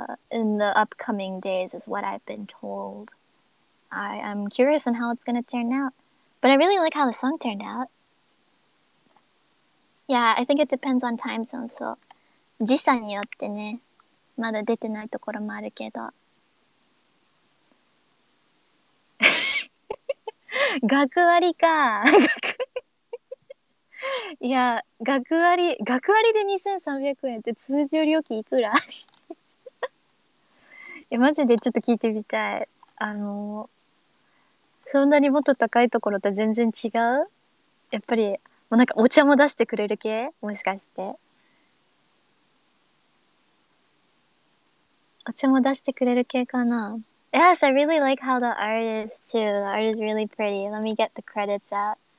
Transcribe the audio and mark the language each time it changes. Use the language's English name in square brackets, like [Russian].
[English] In the upcoming days is what I've been told. I'm curious on how it's gonna turn out. But I really like how the song turned out. Yeah, I think it depends on time zone, so... [Japanese] 時差によってね、まだ出てないところもあるけど。学割か。いや、学割で2300円って通常料金いくら？いや、マジでちょっと聞いてみたい。そんなにもっと高いところと全然違う？やっぱり、もうなんかお茶も出してくれる系？もしかして。お茶も出してくれる系かな？ [English] Yes, I really like how the art is too. The art is really pretty. Let me get the credits out.